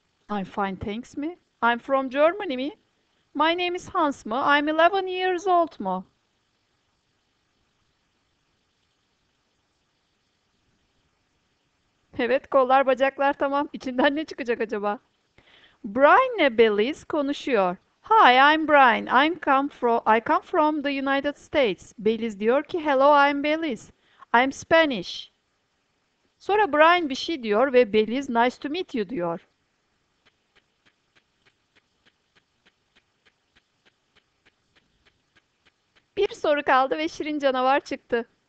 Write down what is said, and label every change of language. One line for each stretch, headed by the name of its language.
English: I'm fine, thanks mi? I'm from Germany mi? My name is Hans mı? I'm 11 years old mu?
Turkish: Evet, kollar, bacaklar tamam. İçinden ne çıkacak acaba? Brian ile Belize konuşuyor.
English: Hi, I'm Brian. I come from the United States.
Turkish: Belize diyor ki,
English: hello, I'm Belize. I'm Spanish.
Turkish: Sonra Brian bir şey diyor ve Belize,
English: nice to meet you
Turkish: diyor. Bir soru kaldı ve şirin canavar çıktı.